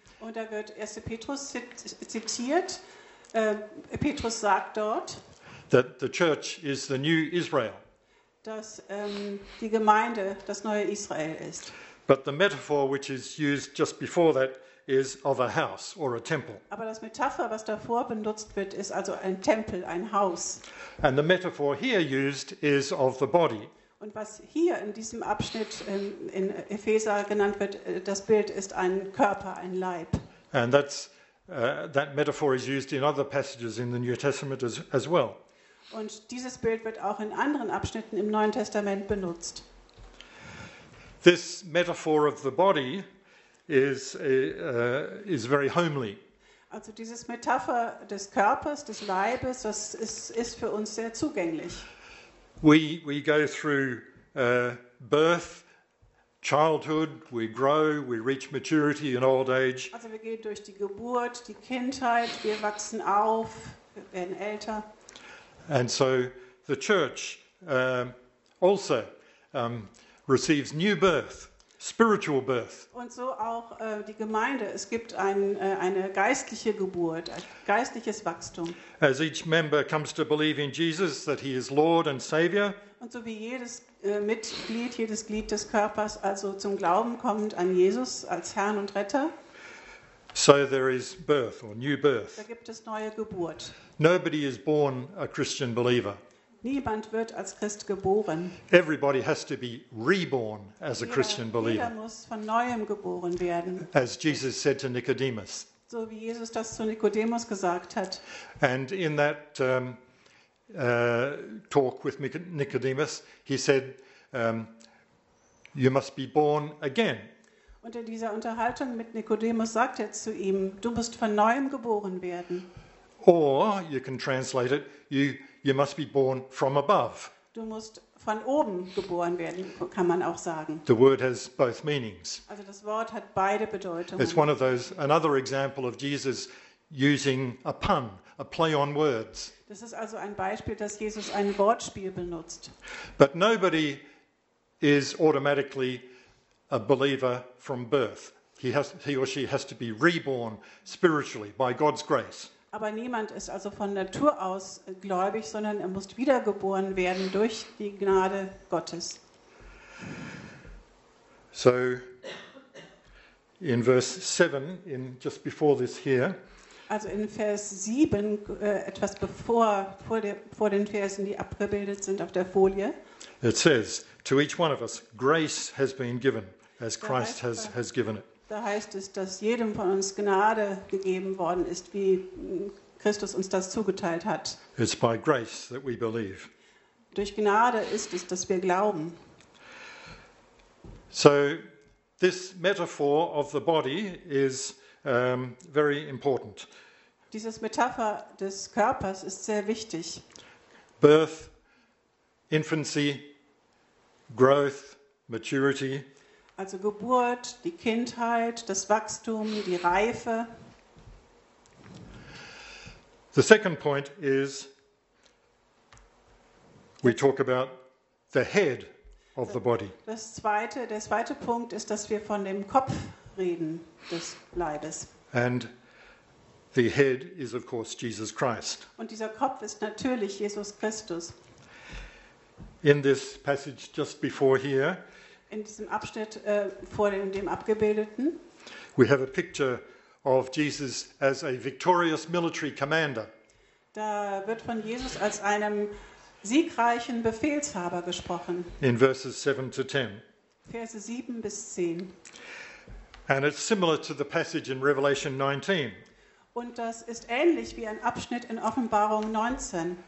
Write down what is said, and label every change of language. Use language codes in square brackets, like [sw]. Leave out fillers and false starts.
[de] und da wird 1. Petrus zitiert. Petrus sagt dort, [en] that the church is the new Israel, [de] dass die Gemeinde das neue Israel ist. [en] But the metaphor which is used just before that is of a house or a temple. [de] Aber das Metapher, was davor benutzt wird, ist also ein Tempel, ein Haus. [en] And the metaphor here used is of the body. [de] Und was hier in diesem Abschnitt in Epheser genannt wird, das Bild ist ein Körper, ein Leib. [en] And that's that metaphor is used in other passages in the New Testament as well. [de] Und dieses Bild wird auch in anderen Abschnitten im Neuen Testament benutzt. [en] This metaphor of the body is very homely. [de] Also dieses Metapher des Körpers, des Leibes, das ist für uns sehr zugänglich. [en] We go through birth, childhood, we grow, we reach maturity in old age. [de] Also wir gehen durch die Geburt, die Kindheit, wir wachsen auf, wir werden älter. [en] And so the church also receives new birth, spiritual birth. [de] Und so auch die Gemeinde, es gibt eine geistliche Geburt, ein geistliches Wachstum. [en] As each member comes to believe in Jesus, that he is Lord and Savior. [de] Und so wie jedes Mitglied, jedes Glied des Körpers, also zum Glauben kommend an Jesus als Herrn und Retter. [en] So there is birth or new birth. [de] Da gibt es neue Geburt. [en] Nobody is born a Christian believer. [de] Niemand wird als Christ geboren. [en] Everybody has to be reborn as a Christian believer. [de] Jeder muss von neuem geboren werden. [en] As Jesus said to Nicodemus. [de] So wie Jesus das zu Nikodemus gesagt hat. [en] And in that talk with Nicodemus, he said, "You must be born again." [de] Und in dieser Unterhaltung mit Nikodemus sagt er zu ihm, du musst von neuem geboren werden. [en] Or you can translate it, you must be born from above. [de] Du musst von oben geboren werden, kann man auch sagen. [en] The word has both meanings. [de] Also das Wort hat beide Bedeutungen. [en] It's one of those, another example of Jesus using a pun, a play on words. [de] Das ist also ein Beispiel, dass Jesus ein Wortspiel benutzt. [en] But nobody is automatically a believer from birth. He or she has to be reborn spiritually by God's grace. [de] Aber niemand ist also von Natur aus gläubig, sondern er muss wiedergeboren werden durch die Gnade Gottes. [en] So in verse 7, in just before this here. [de] Also in Vers 7, etwas bevor, vor den Versen, die abgebildet sind auf der Folie. [en] It says, to each one of us, grace has been given. As Christ has given it. [de] Da heißt es, dass jedem von uns Gnade gegeben worden ist, wie Christus uns das zugeteilt hat. [en] It's by grace that we believe. [de] Durch Gnade ist es, dass wir glauben. [en] So, this metaphor of the body is very important. [de] Dieses Metapher des Körpers ist sehr wichtig. [en] Birth, infancy, growth, maturity. [de] Also Geburt, die Kindheit, das Wachstum, die Reife. [en] The second point is, we talk about the head of the body. [de] Der zweite Punkt ist, dass wir von dem Kopf reden des Leibes. [en] And the head is of course Jesus Christ. [de] Und dieser Kopf ist natürlich Jesus Christus. [en] In this passage just before here. [de] In diesem Abschnitt vor dem abgebildeten. [en] We have a picture of Jesus as a victorious military commander. [de] Da wird von Jesus als einem siegreichen Befehlshaber gesprochen. [en] In verses 7 to 10. [de] Verse 7 bis 10. [en] And it's similar to the passage in Revelation 19. [de] Und das ist ähnlich wie ein Abschnitt in Offenbarung 19.